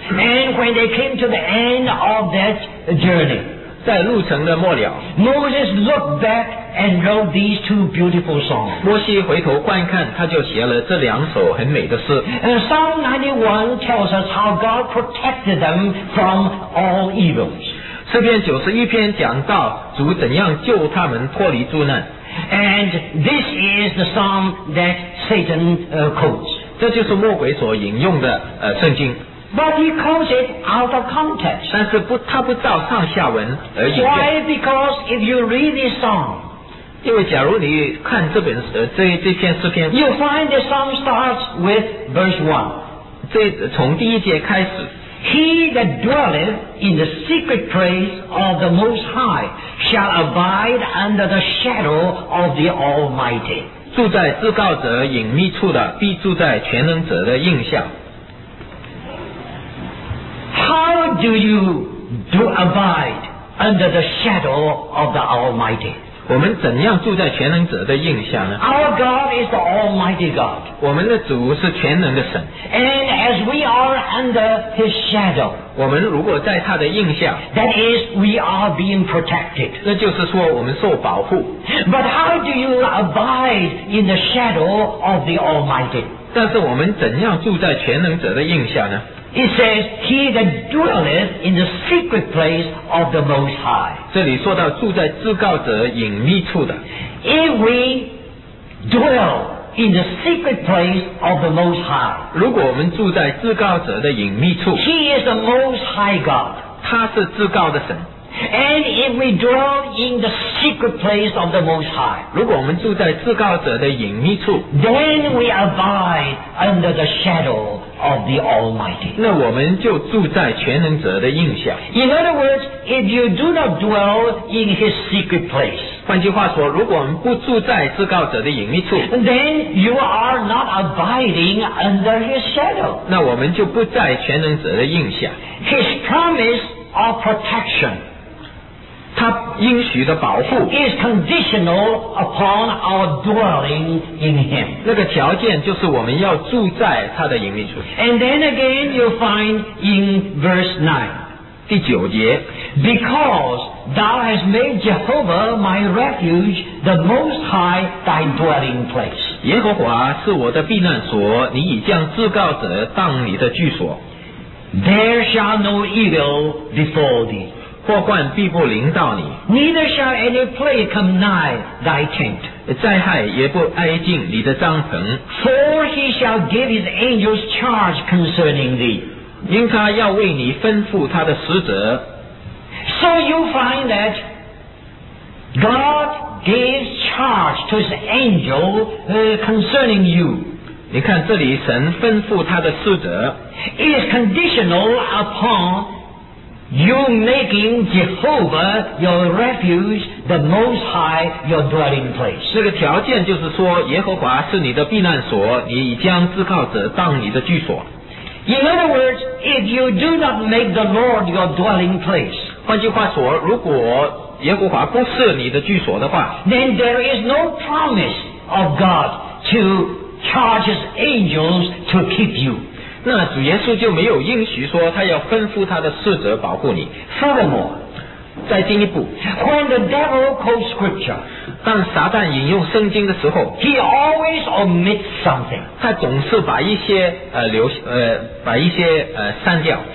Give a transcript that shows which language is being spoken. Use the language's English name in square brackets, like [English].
[English] And when they came to the end of that journey, [Chinese] 在路程的末了， [English] Moses looked back and wrote these two beautiful songs. [Chinese] 摩西回头观看，他就写了这两首很美的诗。 [English] Psalm 91 tells us how God protected them from all evils. [Chinese] 诗篇九十一篇讲到主怎样救他们脱离诸难。 [English] And this is the psalm that Satan quotes. [Chinese] 这就是魔鬼所引用的圣经。 [English] But he calls it out of context. [Chinese] 但是他不照上下文而引用。 [English] Why? Because if you read this song, [Chinese] 因为假如你看这本这篇诗篇， [English] You find the psalm starts with verse 1. [Chinese] 这从第一节开始， [English] He that dwelleth in the secret place of the Most High shall abide under the shadow of the Almighty. [Chinese] 住在至高者隐秘处的必住在全能者的荫下。 [English] How do you do abide under the shadow of the Almighty? [Chinese] 我们怎样住在全能者的荫下呢？ [English] Our God is the Almighty God. [Chinese] 我们的主是全能的神。 [English] And as we are under His shadow, [Chinese] 我们如果在他的荫下， [English] that is, we are being protected. [Chinese] 那就是说我们受保护。 [English] But how do you abide in the shadow of the Almighty? [Chinese] 但是我们怎样住在全能者的荫下呢？ [English] It says, He that dwelleth in the secret place of the Most High. [Chinese] 这里说到住在至高者隐秘处的。 [English] If we dwell in the secret place of the Most High, [Chinese] 如果我们住在至高者的隐秘处， [English] He is the Most High God. [Chinese] 他是至高的神。 [English] And if we dwell in the secret place of the Most High, [Chinese] 如果我们住在至高者的隐秘处， [English] Then we abide under the shadow of the Almighty. [Chinese] 那我们就住在全能者的荫下。 [English] In other words, if you do not dwell in His secret place, [Chinese] 换句话说，如果我们不住在至高者的隐秘处， [English] then you are not abiding under His shadow. [Chinese] 那我们就不在全能者的荫下。 [English] His promise of protection, [Chinese] 他应许的保护， [English] is conditional upon our dwelling in Him. [Chinese] 那个条件就是我们要住在他的隐秘处。 [English] And then again you find in verse 9, [Chinese] 第九节， [English] Because thou hast made Jehovah my refuge, the Most High thy dwelling place. [Chinese] 耶和华是我的避难所，你已将至高者当你的居所。 [English] There shall no evil befall thee. [Chinese] 祸患必不临到你。 [English] Neither shall any plague come nigh thy tent. [Chinese] 灾害也不挨近你的帐篷。 [English] For he shall give his angels charge concerning thee. [Chinese] 因他要为你吩咐他的使者。 [English] So you find that God gives charge to his angel concerning you. [Chinese] 你看这里神吩咐他的使者。 [English] It is conditional uponYou making Jehovah your refuge, the Most High your dwelling place. [Chinese] 这个条件就是说，耶和华是你的避难所，你将至高者当你的居所。 [English] In other words, if you do not make the Lord your dwelling place, [Chinese] 换句话说，如果耶和华不是你的居所的话， [English] then there is no promise of God to charge His angels to keep you. [Chinese] 那主耶稣就没有应许说他要吩咐他的使者保护你。 [English] Furthermore, [Chinese] 再进一步， [English] When the devil quotes scripture, [Chinese] 当撒旦引用圣经的时候， [English] He always omits something. [Chinese] 他总是把一些删掉。